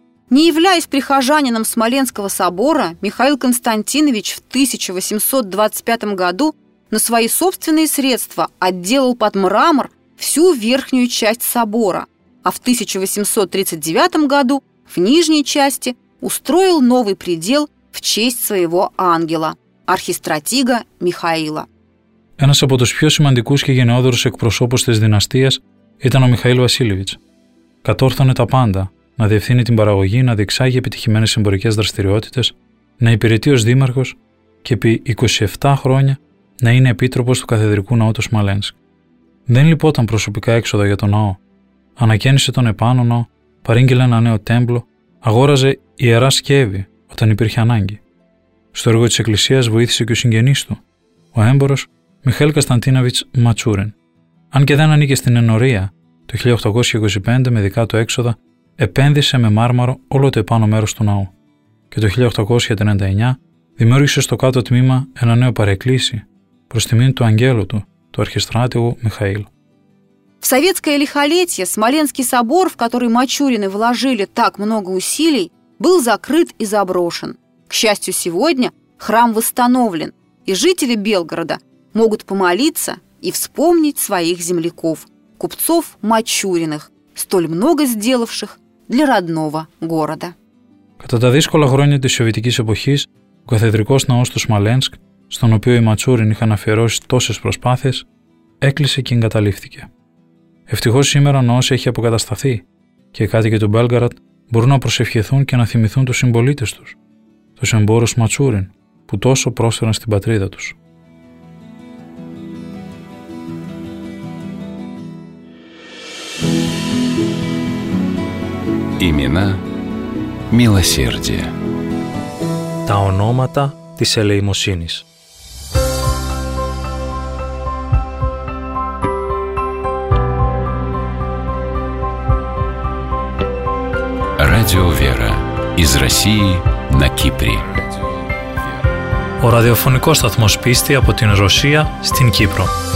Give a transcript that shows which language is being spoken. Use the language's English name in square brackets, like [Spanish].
[Russian] Не являясь прихожанином Смоленского собора, Михаил Константинович в 1825 году на свои собственные средства отделал под мрамор всю верхнюю часть собора, а в 1839 году в нижней части устроил новый предел в честь своего ангела, архистратига Михаила. [Greek] Ένας από τους πιο σημαντικούς και γενναιόδωρους εκπροσώπους της δυναστείας ήταν ο Μιχαήλ Βασίλειβιτς. Κατόρθωνε τα πάντα, να διευθύνει την παραγωγή, να διεξάγει επιτυχημένες εμπορικές δραστηριότητες, να υπηρετεί ως δήμαρχος και επί 27 χρόνια να είναι επίτροπος του Καθεδρικού Ναού του Σμαλένσκ. Δεν λυπόταν προσωπικά έξοδα για τον ναό. Ανακαίνισε τον επάνω ναό, παρήγγειλε ένα νέο τέμπλο, αγόραζε ιερά σκεύη όταν υπήρχε ανάγκη. Στο έργο της Εκκλησίας βοήθησε και ο συγγενής του, ο έμπορος Μιχαήλ Κωνσταντίνοβιτς Ματσούριν. Αν και δεν ανήκε στην ενορία, το 1825 με δικά του έξοδα επένδυσε με μάρμαρο όλο το επάνω μέρος του ναού και το 1839 δημιούργησε στο κάτω τμήμα ένα νέο παρεκκλήσι προς τιμήν του αγγέλου του, του αρχιστράτηγου Μιχαήλ. [Russian] В советское лихолетие Смоленский собор, в который Мачурины вложили так много усилий, был закрыт и заброшен. К счастью, сегодня храм восстановлен, и жители Белгорода могут помолиться и вспомнить своих земляков, купцов Мачуриных, столь много сделавших для родного города. [Greek] Κατά τα δύσκολα χρόνια της Σοβιετικής εποχής, ο καθεδρικός ναός του Σμαλένσκ, στον οποίο οι Ματσούριν είχαν αφιερώσει τόσες προσπάθειες, έκλεισε και εγκαταλείφθηκε. Ευτυχώς σήμερα ο ναός έχει αποκατασταθεί και οι κάτοικοι του Μπέλγαραντ μπορούν να προσευχηθούν και να θυμηθούν τους συμπολίτες τους, τους εμπόρους Ματσούριν, που τόσο πρόσφεραν στην πατρίδα τους. [Russian] Ημινά Милосердие. [Greek] Τα ονόματα της ελεημοσύνης. [Russian] Радио Вера из России на Кипре. [Greek] Ο ραδιοφωνικός σταθμός πίστη από την Ρωσία στην Κύπρο.